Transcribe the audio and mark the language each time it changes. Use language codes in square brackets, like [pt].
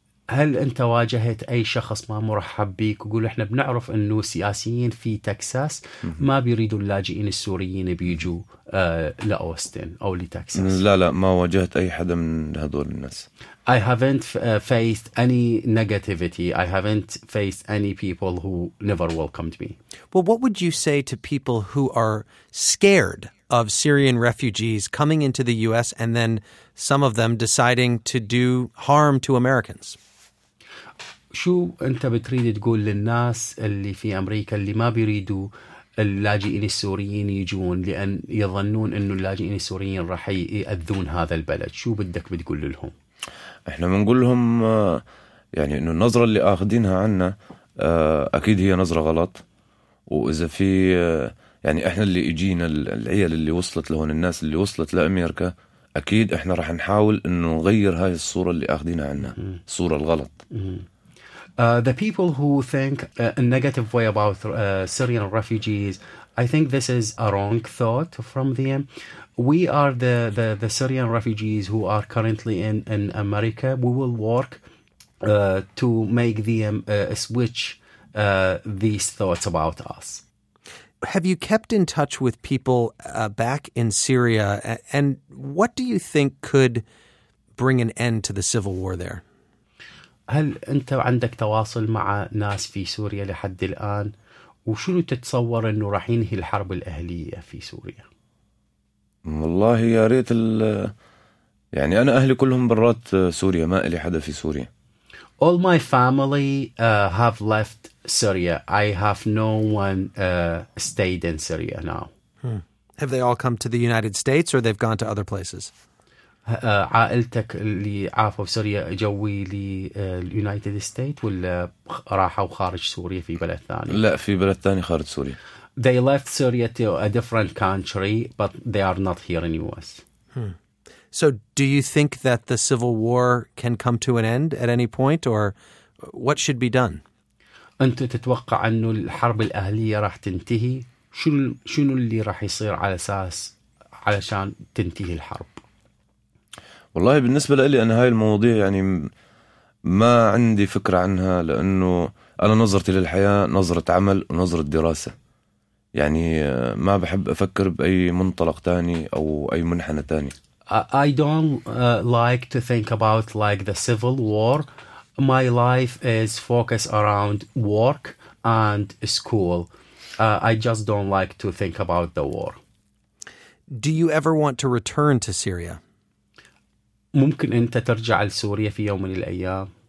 [ar] هل أنت واجهت أي شخص ما مرحب بيك وقول إحنا بنعرف إنه سياسيين في تكساس ما بيريدوا اللاجئين السوريين بيجوا لأوستن أو لتكساس؟ لا لا ما واجهت أي حدا من هذول الناس. [en] I haven't faced any negativity. I haven't faced any people who never welcomed me. Well, what would you say to people who are scared of Syrian refugees coming into the U.S. and then some of them deciding to do harm to Americans? [ar] شو أنت بتريد تقول للناس اللي في أمريكا اللي ما بيريدوا اللاجئين السوريين يجون لأن يظنون إنه اللاجئين السوريين راح يأذون هذا البلد؟ شو بدك بتقول لهم؟ إحنا بنقول لهم يعني إنه النظرة اللي أخذينها عنا أكيد هي نظرة غلط، وإذا في يعني إحنا اللي إجينا العيال اللي وصلت لهون الناس اللي وصلت لأمريكا أكيد إحنا راح نحاول إنه نغير هاي الصورة اللي أخذينها عنا الصورة الغلط. [en] The people who think a negative way about Syrian refugees, I think this is a wrong thought from them. We are the Syrian refugees who are currently in America. We will work to make them switch these thoughts about us. Have you kept in touch with people back in Syria? And what do you think could bring an end to the civil war there? [ar] هل أنت عندك تواصل مع ناس في سوريا لحد الآن؟ وشنو تتصور أنه راح ينهي الحرب الأهلية في سوريا؟ والله يا ريت يعني أنا أهلي كلهم برات سوريا، ما إلي حدا في سوريا. [en] All my family have left Syria. I have no one stayed in Syria now. Have they all come to the United States or they've gone to other places? [ar] عائلتك اللي عافوا في سوريا جوي لليونايتد ستيت ولا راحوا خارج سوريا في بلد ثاني؟ لا في بلد ثاني خارج سوريا. [en] They left Syria to a different country, but they are not here in the US. So do you think that the civil war can come to an end at any point, or what should be done? [ar] أنت تتوقع أنه الحرب الأهلية راح تنتهي؟ شنو اللي راح يصير على أساس علشان تنتهي الحرب؟ والله بالنسبة لي أنا هاي المواضيع يعني ما عندي فكرة عنها، لأنه أنا نظرتي للحياة نظرة عمل ونظرة دراسة، يعني ما بحب أفكر بأي منطلق تاني أو أي منحنى تاني. [en] I don't like to think about like the civil war. My life is focused around work and school. I just don't like to think about the war. Do you ever want to return to Syria? [ar] ممكن أنت ترجع لسوريا في يوم من الأيام؟